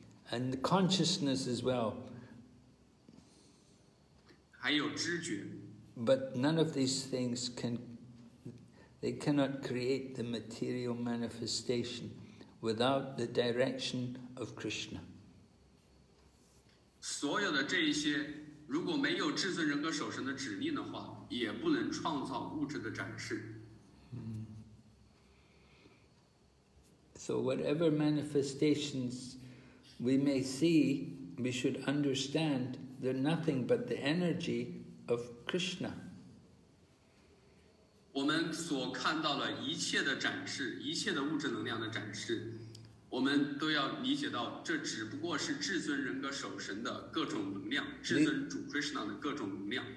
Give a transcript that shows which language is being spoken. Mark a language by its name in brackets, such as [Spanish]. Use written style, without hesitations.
[English] And the consciousness as well. [Chinese] 还有知觉。 [English] But none of these things can, they cannot create the material manifestation without the direction of Krishna. [Chinese] 所有的这一些, 如果没有至尊人格守神的指令的话, 也不能创造物质的展示。 [English] So whatever manifestations we may see, we should understand they're nothing but the energy of Krishna. [Chinese] 我们所看到了一切的展示, 一切的物质能量的展示, 我们都要理解到这只不过是至尊人格守神的各种能量, 至尊主 Krishna的各种能量。